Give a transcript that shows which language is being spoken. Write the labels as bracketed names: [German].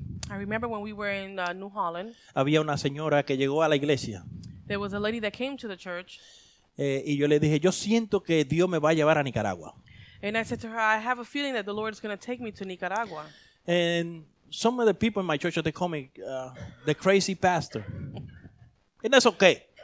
[English] I remember when we were in New Holland. [Spanish] Había una señora que llegó a la iglesia. [English] There was a lady that came to the church. [Spanish] Y yo le dije, yo siento que Dios me va a llevar a Nicaragua. [English] And I said to her, I have a feeling that the Lord is going to take me to Nicaragua. And some of the people in my church, they call me the crazy pastor. And that's okay.